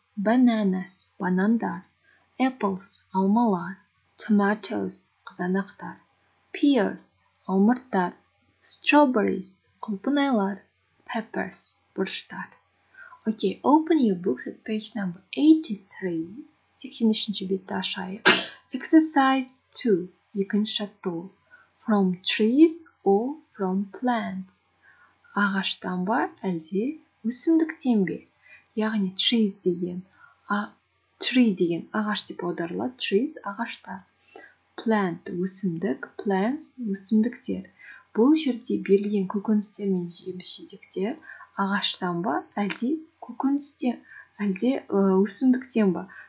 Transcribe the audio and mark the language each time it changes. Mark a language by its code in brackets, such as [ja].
[en] Bananas, [kk] банандар, [en] apples, [kk] алмалар, [en] tomatoes, [kk] қызанақтар, [en] pears, [kk] алмұрттар, [en] strawberries, [kk] құлпынайлар, [en] peppers, [kk] бұрыштар. [en] Okay, open your books at page number 83. [kk] 83-ші бетті ашайық. [en] Exercise 2. [kk] Екінші жаттығу. [en] From trees or from plants. [kk] Ағаштан ба, әлде өсімдіктен бе? Яғни trees деген. Tree деген ағаш деп аударыла. Trees ағашта. Plant өсімдік. Plants өсімдіктер. Бұл жерде берілген көкөністер мен жеміс-жидектер ағаштан ба, әлде көкөністен, әлде өсімдіктен ба?